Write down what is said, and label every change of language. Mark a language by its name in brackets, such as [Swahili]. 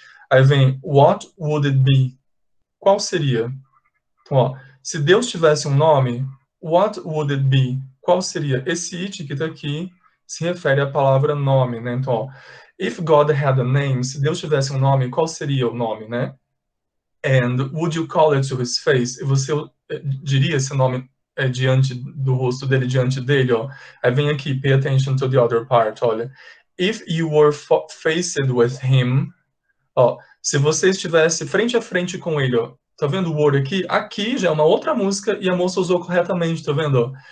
[Portuguese] Aí vem, [English] what would it be? [Portuguese] Qual seria? Então, ó, se Deus tivesse um nome, [English] what would it be? [Portuguese] Qual seria? Esse it que tá aqui se refere à palavra nome, né? Então, ó, [English] if God had a name, [Portuguese] se Deus tivesse um nome, qual seria o nome, né? [English] And would you call it to his face? [Portuguese] E você diria esse nome diante do rosto dele, diante dele, ó. Aí vem aqui, [English] pay attention to the other part, [Portuguese] olha. [English] If you were faced with him, [Portuguese] ó, se você estivesse frente a frente com ele, ó. Tá vendo o word aqui? Aqui já é uma outra música e a moça usou corretamente, tá vendo?